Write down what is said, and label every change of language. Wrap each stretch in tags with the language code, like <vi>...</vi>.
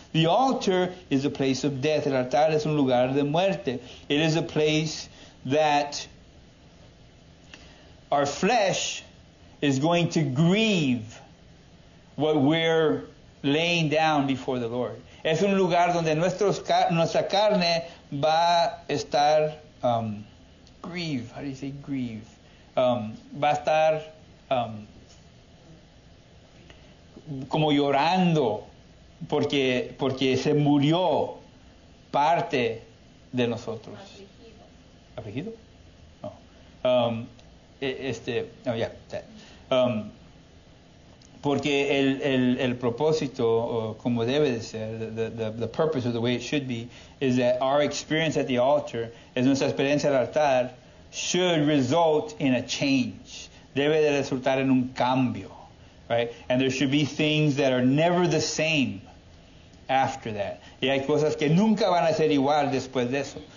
<en>The altar is a place of death.</en> <es>El altar es un lugar de muerte.</es> <en>It is a place that our flesh is going to grieve what we're laying down before the Lord.</en> <es>Es un lugar donde nuestra carne va a estar grieve.</es> <en>How do you say grieve?</en> <es>Va a estar como llorando porque se murió parte de nosotros. Afligido. Afligido? No. Porque el propósito, como debe de ser,</es> <en>the purpose or the way it should be, is that our experience at the altar,</en> <es>es nuestra experiencia al altar,</es> <en>should result in a change.</en> <es>debe de resultar en un cambio, right?</es> <en>And there should be things that are never the same after that.</en> <es>Y hay cosas que nunca van a ser igual después de eso.</es>